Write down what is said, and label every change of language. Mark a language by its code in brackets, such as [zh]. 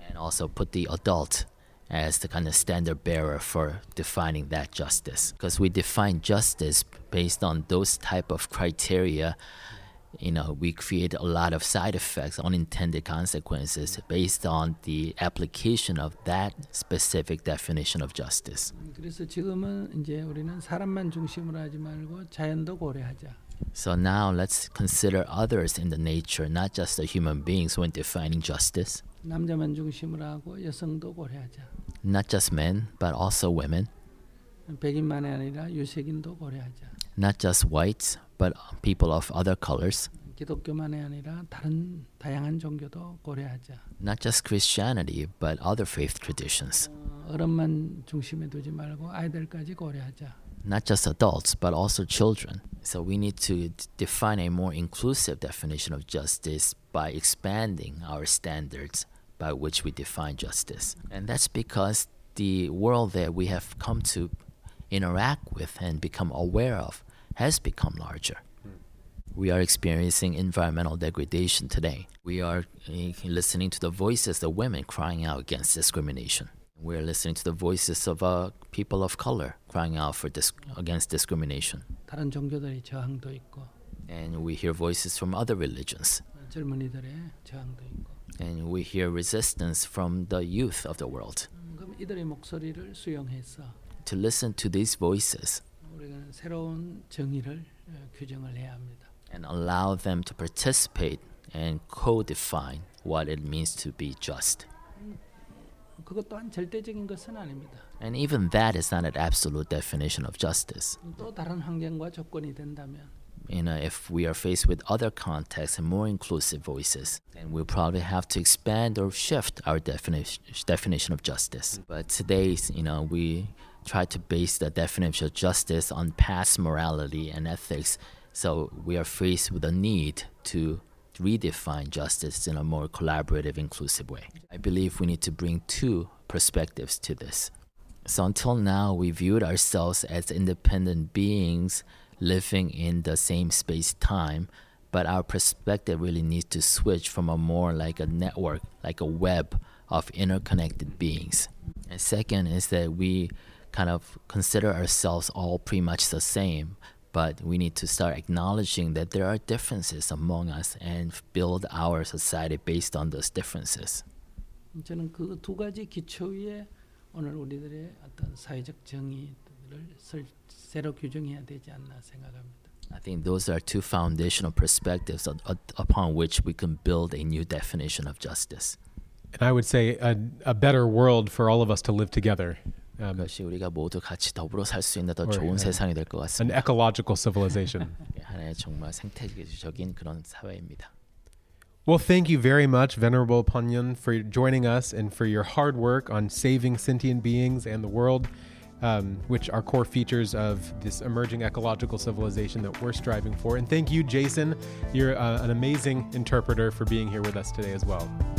[en] And also put the adult as the kind of standard bearer for defining that justice. Because we define justice based on those type of criteria, you know, we create a lot of side effects, unintended consequences, based on the application of that specific definition of justice. [ko] 그래서 지금은 이제 우리는 사람만 중심으로 하지 말고 자연도 고려하자. [en] So now let's consider others in the nature, not just the human beings when defining justice. [ko] 남자만 중심으로 하고 여성도 고려하자. [en] Not just men, but also women. [ko] 백인만이 아니라 유색인도 고려하자. [en] Not just whites, but people of other colors. [ko] 기독교만이 아니라 다른 다양한 종교도 고려하자. [en] Not just Christianity, but other faith traditions. [ko] 어른만 중심에 두지 말고 아이들까지 고려하자. [en] Not just adults, but also children. So we need to define a more inclusive definition of justice by expanding our standards by which we define justice. And that's because the world that we have come to interact with and become aware of has become larger. We are experiencing environmental degradation today. We are listening to the voices of women crying out against discrimination. We're listening to the voices of people of color crying out against discrimination. [ko] 다른 종교들의 저항도 있고. [en] And we hear voices from other religions. [ko] 젊은이들의 저항도 있고. [en] And we hear resistance from the youth of the world. [ko] 그럼 이들의 목소리를 수용해서. [en] To listen to these voices. [ko] 우리는 새로운 정의를 규정을 해야 합니다. [en] And allow them to participate and co-define what it means to be just. [ko] 그것 또한 절대적인 것은 아닙니다. [en] And even that is not an absolute definition of justice. [ko] 또 다른 환경과 조건이 된다면. [en] You know, if we are faced with other contexts and more inclusive voices, then we'll probably have to expand or shift our definition of justice. But today, you know, we try to base the definition of justice on past morality and ethics. So we are faced with a need to redefine justice in a more collaborative, inclusive way. I believe we need to bring two perspectives to this. So until now, we viewed ourselves as independent beings living in the same space-time, but our perspective really needs to switch from a more like a network, like a web of interconnected beings. And second is that we kind of consider ourselves all pretty much the same, but we need to start acknowledging that there are differences among us and build our society based on those differences. [ko] 저는 그 두 가지 기초 위에 오늘 우리들의 어떤 사회적 정의를 새로 규정해야 되지 않나 생각합니다. [en] I think those are two foundational perspectives upon which we can build a new definition of justice. And I would say a better world for all of us to live together. [ko] 그것이 우리가 모두 같이 더불어 살 수 있는 더 좋은 세상이 될 것 같습니다. [en] An ecological civilization. [ko] 하나의 정말 생태계적인 그런 사회입니다. [en] Well, thank you very much, Venerable Panyun, for joining us and for your hard work on saving sentient beings and the world, which are core features of this emerging ecological civilization that we're striving for. And thank you, Jason. You're an amazing interpreter for being here with us today as well.